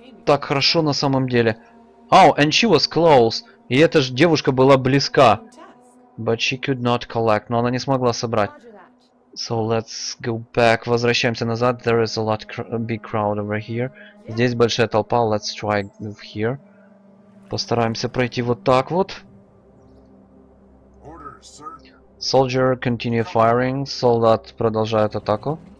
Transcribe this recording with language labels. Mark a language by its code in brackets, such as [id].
[ru] Так хорошо на самом деле. [en] Oh, and she was close. [ru] И эта же девушка была близка. [en] But she could not collect. [ru] Но она не смогла собрать. [en] So let's go back. [ru] Возвращаемся назад. [en] There is a lot big crowd over here. [ru] Здесь большая толпа. [en] Let's try here. [ru] Постараемся пройти вот так вот. [en] Soldier, continue firing. [ru] Солдат продолжает атаку.